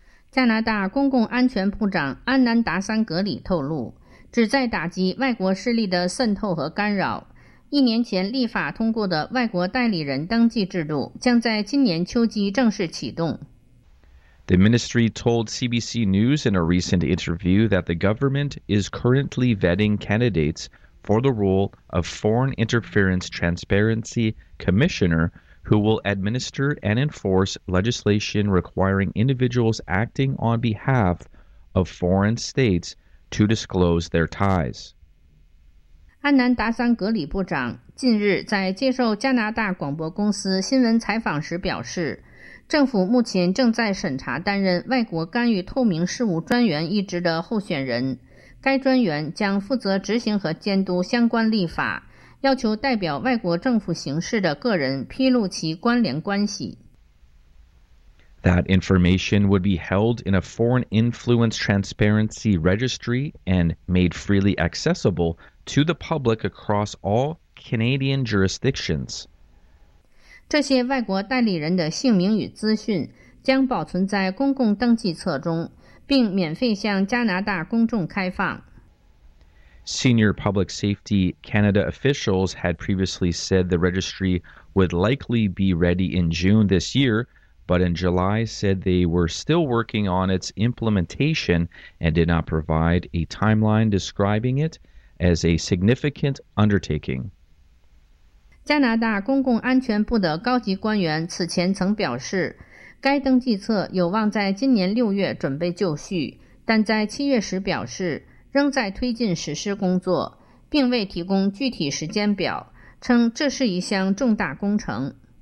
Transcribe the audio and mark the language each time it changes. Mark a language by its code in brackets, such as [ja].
[zh] 加拿大公共安全部长安南达三格里透露，旨在打击外国势力的渗透和干扰。一年前立法通过的外国代理人登记制度将在今年秋季正式启动。 [en] The ministry told CBC News in a recent interview that the government is currently vetting candidates for the role of Foreign Interference Transparency Commissioner, who will administer and enforce legislation requiring individuals acting on behalf of foreign states to disclose their ties. [zh] 安南达桑格里部长近日在接受加拿大广播公司新闻采访时表示，政府目前正在审查担任外国干预透明事务专员一职的候选人。该专员将负责执行和监督相关立法，要求代表外国政府行事的个人披露其关联关系。 [en] That information would be held in a Foreign Influence Transparency Registry and made freely accessible to the public across all Canadian jurisdictions. [zh] 这些外国代理人的姓名与资讯将保存在公共登记册中，并免费向加拿大公众开放。 [en] Senior Public Safety Canada officials had previously said the registry would likely be ready in June this year,but in July said they were still working on its implementation and did not provide a timeline describing it as a significant undertaking. [zh] 加拿大公共安全部的高级官员此前曾表示，该登记册有望在今年六月准备就绪，但在七月时表示仍在推进实施工作，并未提供具体时间表，称这是一项重大工程。